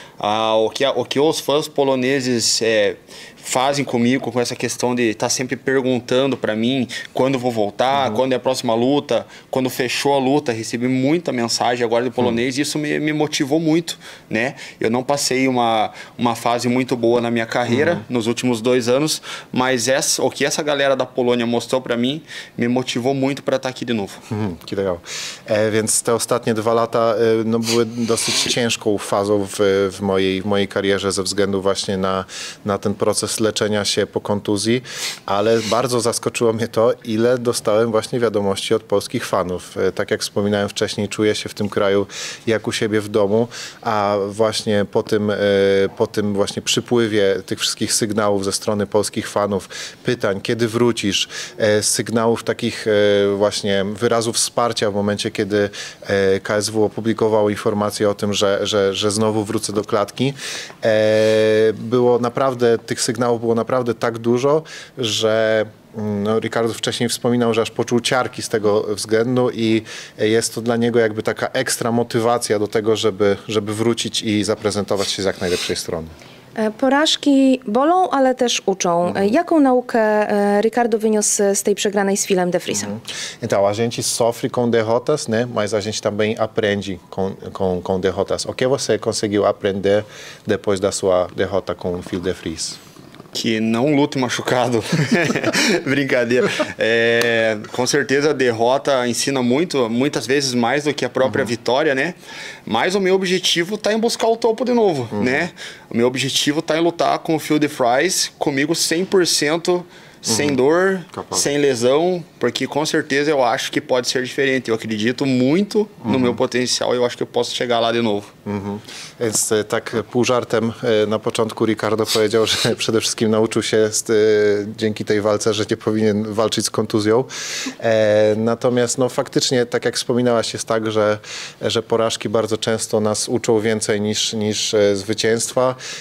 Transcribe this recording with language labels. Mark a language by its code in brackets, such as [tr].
[pt] Ah, o que os fãs poloneses fazem comigo com essa questão de estar sempre perguntando para mim quando vou voltar, quando é a próxima luta, quando fechou a luta, recebi muita mensagem agora do polonês e isso me motivou muito, né? Eu não passei uma fase muito boa na minha carreira nos últimos 2 anos, mas o que essa galera da Polônia mostrou para mim me motivou muito para estar aqui de novo. Que legal. [pl] É, więc te ostatnie 2 lata no, były dosyć ciężką fazą w mojej karierze ze względu właśnie na ten proces leczenia się po kontuzji, ale bardzo zaskoczyło mnie to, ile dostałem właśnie wiadomości od polskich fanów. Tak jak wspominałem wcześniej, czuję się w tym kraju jak u siebie w domu, a właśnie po tym właśnie przypływie tych wszystkich sygnałów ze strony polskich fanów, pytań, kiedy wrócisz, sygnałów takich właśnie wyrazów wsparcia w momencie, kiedy KSW opublikowało informację o tym, że znowu wrócę do klatki, było naprawdę tych sygnałów było naprawdę tak dużo, że no, Ricardo wcześniej wspominał, że aż poczuł ciarki z tego względu i jest to dla niego jakby taka ekstra motywacja do tego, żeby wrócić i zaprezentować się z jak najlepszej strony. Porażki bolą, ale też uczą. Jaką naukę Ricardo wyniósł z tej przegranej z Filem de Frisem? [pt] Então, a gente sofre com derrotas, né? Mas a gente também aprende com derrotas. O que você conseguiu aprender depois da sua derrota com o Phil de Fris? Que não lute machucado. Brincadeira. É, com certeza a derrota ensina muito, muitas vezes mais do que a própria vitória, né? Mas o meu objetivo está em buscar o topo de novo, né? O meu objetivo está em lutar com o Phil de Fries, comigo 100%, sem dor, sem lesão, porque com certeza eu acho que pode ser diferente. Eu acredito muito no meu potencial e eu acho que eu posso chegar lá de novo. [pl] Więc tak pół żartem na początku Ricardo powiedział, że przede wszystkim nauczył się dzięki tej walce, że nie powinien walczyć z kontuzją. Natomiast no, faktycznie, tak jak wspominałaś, jest tak, że porażki bardzo często nas uczą więcej niż zwycięstwa.